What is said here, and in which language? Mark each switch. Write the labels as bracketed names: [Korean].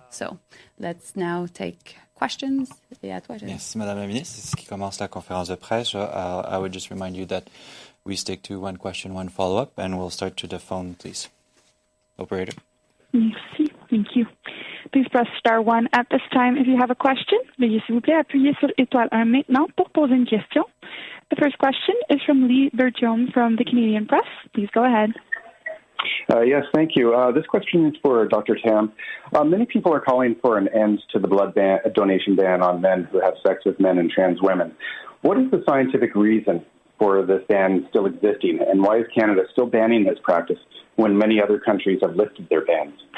[English] So let's now take questions. Yes, [French] Madame la Ministre, ce qui commence la conférence de presse, [English] I would just remind you that we stick to one question, one follow-up, and we'll start to the phone, please. Operator. [French] Merci. [English] Thank you. Please press star 1 at this time if you have a question. [French] Veuillez, s'il vous plaît, appuyer sur étoile 1 maintenant pour poser une question. [English] The first question is from Lee Bertrand from the Canadian Press. Please go ahead. Yes, thank you. This question is for Dr. Tam. Many people are calling for an end to the blood donation ban on men who have sex with men and trans women. What is the scientific reason for this ban still existing, and why is Canada still banning this practice when many other countries have lifted their bans?